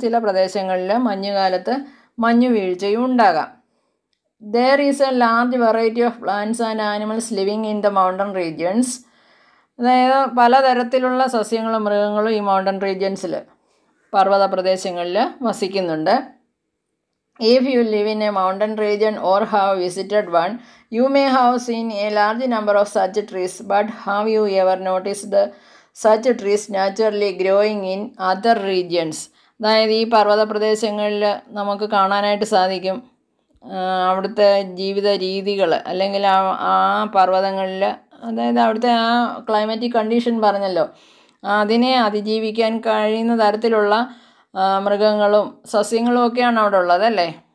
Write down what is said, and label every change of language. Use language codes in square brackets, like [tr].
[ml] ചില പ്രദേശങ്ങളിൽ മഞ്ഞുകാലത്ത് മഞ്ഞു വീഴ്ചയും ഉണ്ടാകാം. [en] There is a large variety of plants and animals living in the mountain regions. [ml] അതായത് പലതരത്തിലുള്ള സസ്യങ്ങളും മൃഗങ്ങളും ഈ മൗണ്ടൻ റീജിയൻസിൽ പർവ്വത പ്രദേശങ്ങളിൽ വസിക്കുന്നുണ്ട്. [en] If you live in a mountain region or have visited one, you may have seen a large number of such trees. But have you ever noticed such trees naturally growing in other regions? [ml] അതായത് ഈ പർവ്വത പ്രദേശങ്ങളിൽ നമുക്ക് കാണാനായിട്ട് സാധിക്കും അവിടുത്തെ ജീവിത രീതികൾ, അല്ലെങ്കിൽ ആ പർവ്വതങ്ങളിൽ, അതായത് അവിടുത്തെ ആ ക്ലൈമാറ്റിക് കണ്ടീഷൻ പറഞ്ഞല്ലോ, അതിനെ അതിജീവിക്കാൻ കഴിയുന്ന തരത്തിലുള്ള മൃഗങ്ങളും സസ്യങ്ങളും ഒക്കെയാണ് അവിടെ ഉള്ളത് അല്ലേ.